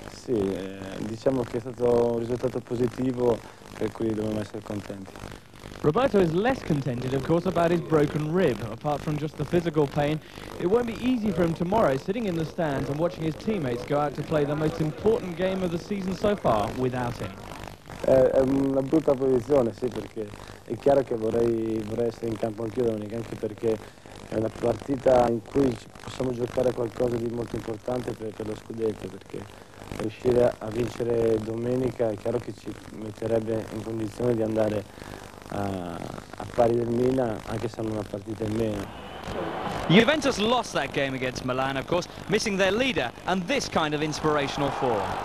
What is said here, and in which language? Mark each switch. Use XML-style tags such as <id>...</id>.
<it>Sì, diciamo che è stato un risultato positivo, per cui dobbiamo essere contenti.</it> <en>Roberto is less contented, of course, about his broken rib. Apart from just the physical pain, it won't be easy for him tomorrow, sitting in the stands and watching his teammates go out to play the most important game of the season so far without him.</en> <it>È una brutta posizione, sì, perché è chiaro che vorrei essere in campo anch'io domenica, anche perché è una partita in cui possiamo giocare qualcosa di molto importante per lo scudetto, perché riuscire a vincere domenica è chiaro che ci metterebbe in condizione di andare a pari del Milan, anche se non una partita in meno.</it> <en>Juventus lost that game against Milan, of course, missing their leader and this kind of inspirational form.</en>